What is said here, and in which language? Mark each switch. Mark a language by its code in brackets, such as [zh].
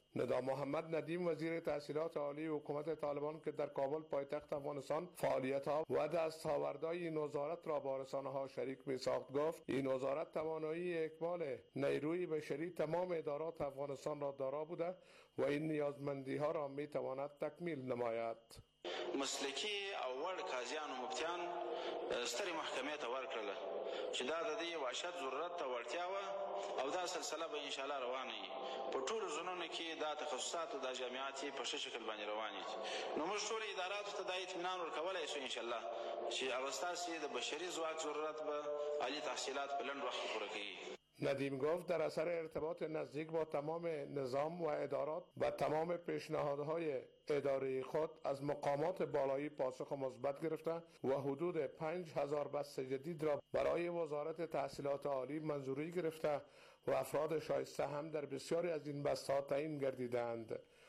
[fa] ندا محمد ندیم وزیر تحصیلات عالی حکومت طالبان که در کابل پایتخت افغانستان فعالیت ها و دستاوردهای این وزارت را با رسانه ها شریک می ساخت گفت این وزارت توانایی اکمال نیروی بشری تمام ادارات افغانستان را دارا بوده و این نیازمندی ها را می تواند تکمیل نماید. [ps] مسلکی اول قاضیان و مفتیان ستری محکمه ته ورکړه چې دا د دې وحشت ضرورت ته ورتیا و او دا سلسله به ان شاء الله روانه وي په ټول زونونو کې دا تخصصات او دا جامعات په ښه شکل باندې روان دي. نو موږ ټول ادارات ته د اطمینان ورکولای شو ان شاء الله چې اوستاسې د بشري ځواک ضرورت به عالی تحصیلات په لنډ وخت پوره کړي. [fa] ندیم گفت در اثر ارتباط نزدیک با تمام نظام و ادارات و تمام پیشنهادهای اداره خود از مقامات بالایی پاسخ مثبت گرفته و حدود 5,000 بست جدید را برای وزارت تحصیلات عالی منظوری گرفته و افراد شایسته هم در بسیاری از این بست‌ها تعیین گردیدند.